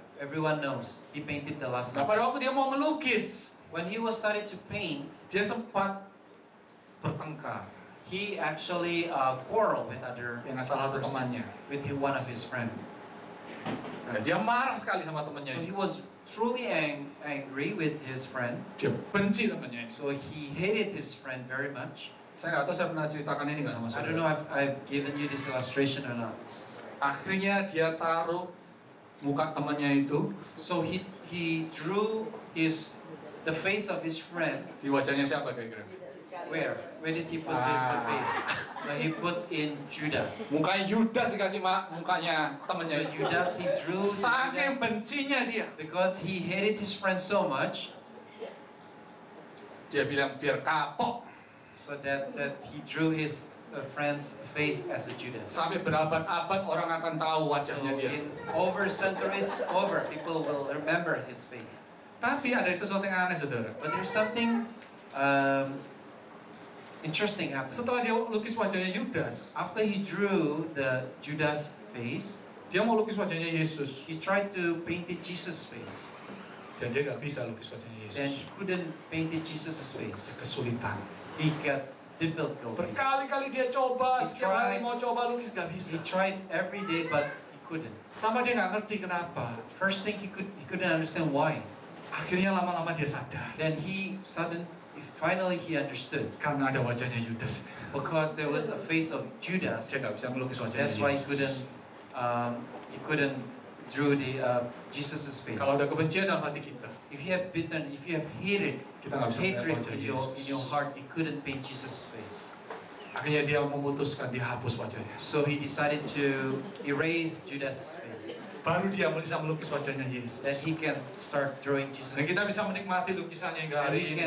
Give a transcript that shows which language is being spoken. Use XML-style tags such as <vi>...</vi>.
<en>Everyone knows. He painted the Last Supper.</en> <id>Nah, pada waktu dia mau melukis,</id> <en>when he was started to paint,</en> <id>dia sempat bertengkar.</id> <en>He actually quarrel with other</en> <id>dengan salah satu temannya,</id> <en>with one of his friend.</en> <id>Nah, dia marah sekali sama temannya.</id> <en>So he was truly angry with his friend.</en> <id>Dia benci temannya.</id> <en>So he hated his friend very much.</en> <id>Saya nggak tahu saya pernah ceritakan ini nggak sama saya.</id> <en>I don't know if I've given you this illustration or not.</en> <id>Akhirnya dia taruh muka temannya itu.</id> <en>So he drew his the face of his friend.</en> <id>Di wajahnya siapa kira-kira?</id> <en>Where did he put the face? So he put in Judas.</en> <id>Mukanya Judas dikasih mak, mukanya temannya.</id> <en>So Judas he drew.</en> <id>Saking bencinya dia.</id> <en>Because he hated his friend so much.</en> <id>Dia bilang biar kapok.</id> <en>So that he drew his friend's face as a Judas.</en> <id>Sampai berabad-abad orang akan tahu wajahnya</id> <en>so</en> <id>dia.</id> <en>Over centuries, over people will remember his face.</en> <id>Tapi ada sesuatu yang aneh, saudara.</id> <en>But there's something interesting happened.</en> <id>Setelah dia lukis wajahnya Judas,</id> <en>after he drew the Judas face,</en> <id>dia mau lukis wajahnya Yesus.</id> <en>He tried to paint the Jesus face.</en> <id>Dan dia nggak bisa lukis wajahnya Yesus.</id> <en>Then he couldn't paint the Jesus's face.</en> <id>Kesulitan.</id> <en>He got difficult.</en> <id>Berkali-kali dia coba, setiap hari mau coba lukis gak bisa.</id> <en>He tried every day but he couldn't.</en> <id>Lama dia gak ngerti kenapa.</id> <en>First thing he couldn't understand why.</en> <id>Akhirnya lama-lama dia sadar.</id> <en>Then he finally understood.</en> <id>Karena ada wajahnya Judas.</id> <en>Because there was a face of Judas.</en> <id>Dia gak bisa melukis wajahnya Yesus.</id> <en>That's why he couldn't drew the Jesus's face.</en> <id>Kalau ada kebencian dalam hati kita,</id> <en>if you have hated,</en> <id>kita nggak bisa</id> <en>hatred in your heart, you couldn't paint Jesus' face.</en> <id>Akhirnya dia memutuskan dihapus wajahnya.</id> <en>So he decided to erase Judas' face.</en> <id>Baru dia bisa melukis wajahnya Yesus.</id> <en>That he can start drawing Jesus.</en> <id>Dan kita bisa menikmati lukisannya hingga hari ini.</id>